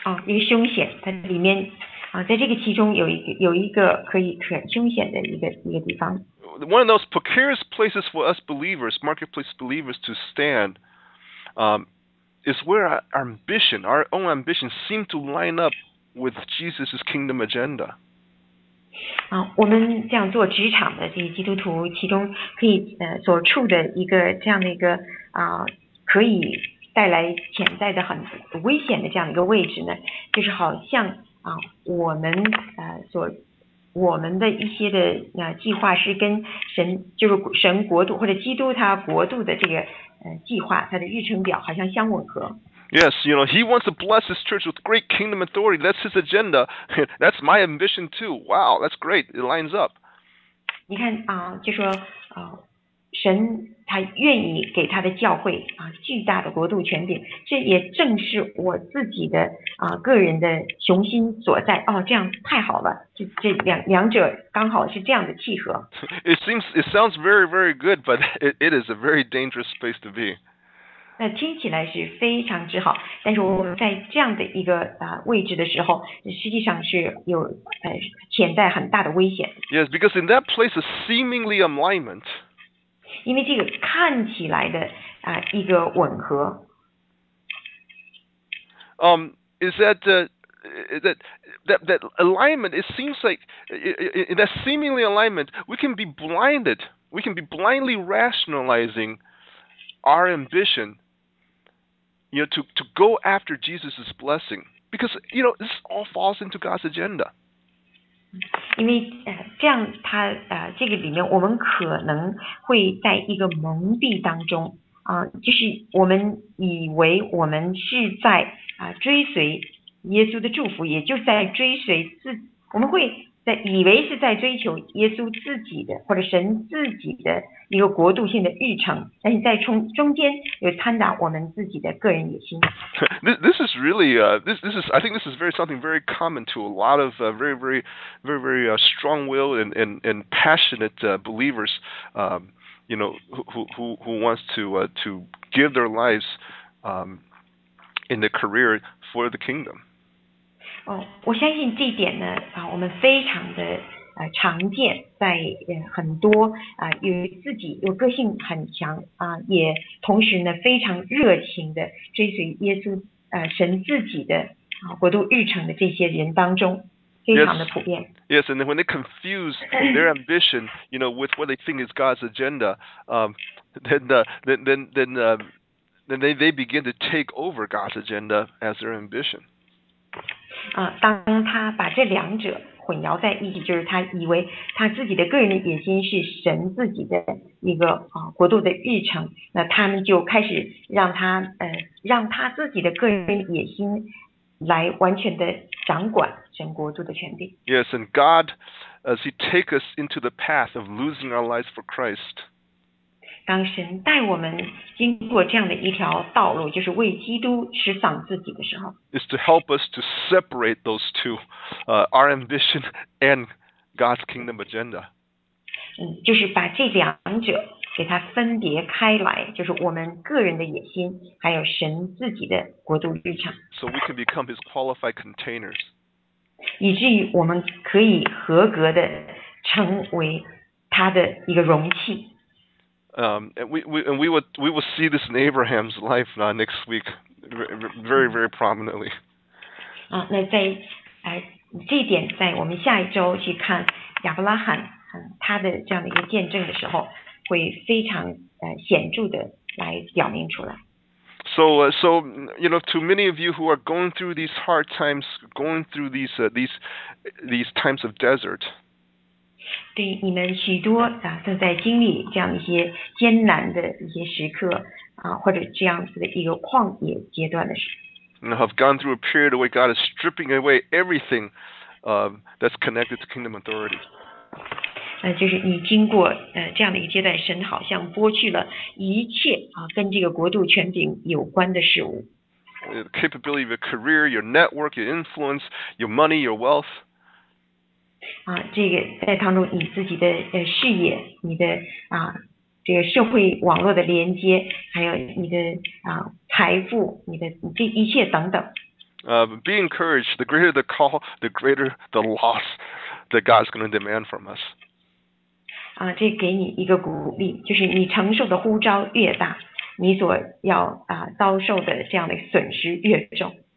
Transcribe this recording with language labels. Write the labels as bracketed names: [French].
[Chinese] 一个凶险，它里面在这个其中有一个可以很凶险的一个地方。 [English] One of those precarious places for us believers, marketplace believers to stand, is where our own ambition, seem to line up with Jesus' kingdom agenda. [Chinese] 我们这样做职场的这些基督徒，其中可以所处的一个这样的一个可以带来潜在的很危险的这样一个位置呢，就是好像我们的一些的计划是跟神就是神国度或者基督他国度的这个计划他的日程表好像相吻合。 [English] Yes, you know, he wants to bless his church with great kingdom authority. That's his agenda. That's my ambition too. Wow, that's great. It lines up. [Chinese] 你看就说神他愿意给他的教会巨大的国度权柄，这也正是我自己的个人的雄心所在。这样太好了，这两者刚好是这样的契合。 [English] It sounds very, very good, but it is a very dangerous place to be. [Chinese] 那听起来是非常之好，但是我们在这样的一个位置的时候，实际上是有潜在很大的危险。 [English] Yes, because in that place of seemingly alignment, [Chinese] 因为这个看起来的一个吻合 [English] is that that alignment? It seems like in that seemingly alignment, we can be blinded. We can be blindly rationalizing our ambition. You know, to go after Jesus' blessing. Because, you know, this all falls into God's agenda. [Chinese] 因为这样他这个里面我们可能会在一个蒙蔽当中就是我们以为我们是在追随耶稣的祝福，也就在追随自我们会在以为是在追求耶稣自己的或者神自己的一个国度性的日程，但是在中间有掺杂我们自己的个人野心。 [English] This is really I think this is very something very common to a lot of very very very very strong-willed and passionate believers, you know, who wants to give their lives in the career for the kingdom. [Chinese] 哦，我相信这点呢，啊，我们非常的常见，在很多有自己有个性很强啊，也同时呢非常热情的追随耶稣神自己的国度日程的这些人当中。 [English] Yes, and then when they confuse their ambition, you know, with what they think is God's agenda, then they begin to take over God's agenda as their ambition. [Chinese] 当他把这两者混淆在一起，就是他以为他自己的个人的野心是神自己的一个国度的日程，那他们就开始让他自己的个人野心来完全的掌管神国度的权柄。 [English] Yes, and God, as He takes us into the path of losing our lives for Christ. [Chinese] 当神带我们经过这样的一条道路，就是为基督舍丧自己的时候 [English] ，is to help us to separate those two, our ambition and God's kingdom agenda. [Chinese] 就是把这两者给它分别开来，就是我们个人的野心，还有神自己的国度日程。 [English] So we can become His qualified containers. [Chinese] 以至于我们可以合格的成为他的一个容器。 [English] And we will see this in Abraham's life next week, very very prominently. [Chinese] 那在这一点，在我们下一周去看亚伯拉罕他的这样的一个见证的时候。会非常显著的来表明出来。 [English] So you know, to many of you who are going through these hard times, going through these times of desert. [Chinese] 对你们许多正在经历这样一些艰难的一些时刻或者这样子的一个旷野阶段的时候。 [English] Have gone through a period where God is stripping away everything that's connected to kingdom authority. [Chinese] 就是你经过这样的一个阶段，神好像剥去了一切跟这个国度权柄有关的事物。 [English] The capability of your career, your network, your influence, your money, your wealth. [Chinese] 这个在当中，你自己的事业，你的这个社会网络的连接，还有你的财富，你的这一切等等。 [English] Be encouraged. The greater the call, the greater the loss that God's going to demand from us. [Chinese] 这给你一个鼓励，就是你承受的呼召越大，你所要遭受的这样的损失越重。